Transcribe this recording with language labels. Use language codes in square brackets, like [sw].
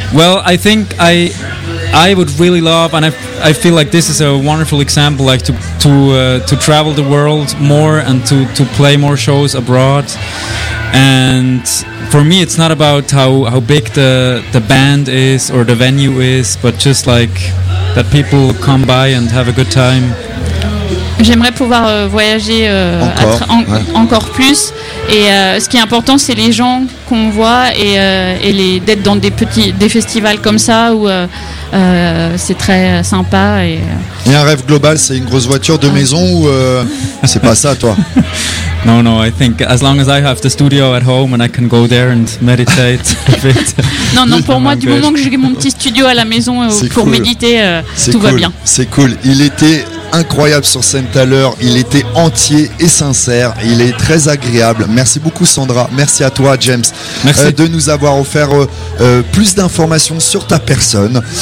[en] Well, I think I would really love, and I feel like this is a wonderful example, like to travel the world more and to play more shows abroad. And for me, it's not about how big the band is or the venue is, but just like that people come by and have a good time. [fr] J'aimerais pouvoir voyager encore plus. Et ce qui est important, c'est les gens qu'on voit d'être dans des festivals comme ça où c'est très sympa. Et un rêve global, c'est une grosse voiture de maison ou c'est pas ça, toi? [en] No, I think as long as I have the studio at home and I can go there and meditate a bit. [fr] Non, pour moi, du moment que j'ai mon petit studio à la maison pour méditer, va bien. C'est cool. Il était incroyable sur scène tout à l'heure, il était entier et sincère, il est très agréable. Merci beaucoup Sandra, merci à toi James. Merci de nous avoir offert plus d'informations sur ta personne.